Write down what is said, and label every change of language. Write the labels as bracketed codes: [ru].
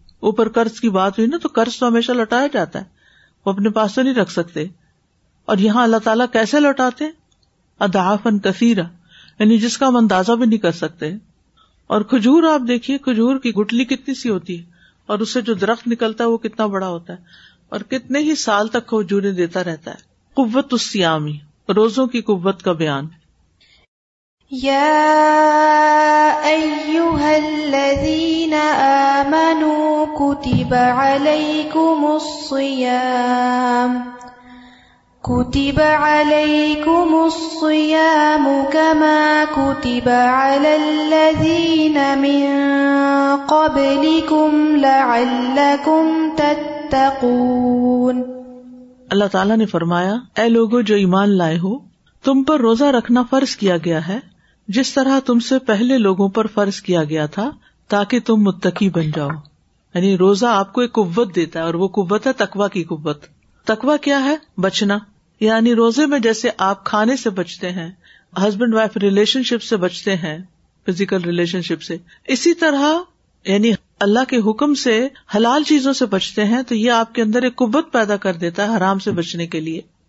[ur] اوپر قرض کی بات ہوئی نا تو قرض تو ہمیشہ لوٹایا جاتا ہے، وہ اپنے پاس تو نہیں رکھ سکتے، اور یہاں اللہ تعالیٰ کیسے لوٹاتے؟ [ar] اضعافاً کثیرا، [ur] یعنی جس کا ہم اندازہ بھی نہیں کر سکتے. اور کھجور آپ دیکھیے، کھجور کی گٹلی کتنی سی ہوتی ہے اور اس سے جو درخت نکلتا ہے وہ کتنا بڑا ہوتا ہے، اور کتنے ہی سال تک کھجوریں دیتا رہتا ہے. قوت الصیام، روزوں کی قوت کا بیان. [ar] یا ایھا الذین آمنوا کتب علیکم الصیام كتب عليكم الصيام كما كتب على الذين من قبلكم لعلكم تتقون. [ur] اللہ تعالیٰ نے فرمایا، اے لوگو جو ایمان لائے ہو، تم پر روزہ رکھنا فرض کیا گیا ہے جس طرح تم سے پہلے لوگوں پر فرض کیا گیا تھا، تاکہ تم متقی بن جاؤ. یعنی روزہ آپ کو ایک قوت دیتا ہے، اور وہ قوت ہے تقوی کی قوت. تقوی کیا ہے؟ بچنا. یعنی روزے میں جیسے آپ کھانے سے بچتے ہیں، [en] husband wife relationship [ur] سے بچتے ہیں، [en] physical relationship [ur] سے، اسی طرح یعنی اللہ کے حکم سے حلال چیزوں سے بچتے ہیں، تو یہ آپ کے اندر ایک قوت پیدا کر دیتا ہے حرام سے بچنے کے لیے.